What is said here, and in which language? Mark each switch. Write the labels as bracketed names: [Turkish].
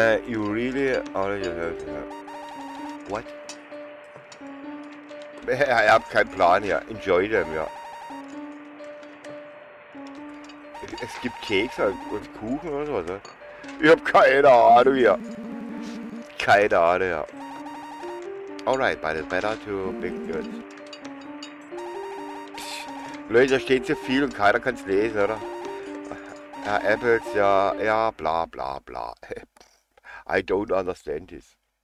[English] You really are yourself. What? [German] Ich habe keinen Plan hier. [English] Enjoy them, [German] ja. Es gibt Kekse und Kuchen oder sowas. Ich hab keine Ahnung hier. Keine Ahnung, ja. [English] Alright, but it's better to be good. [German] Leute, da steht so viel und keiner kann es lesen, oder? [English] Ja, Apples, ja, ja, bla bla bla. I don't understand this.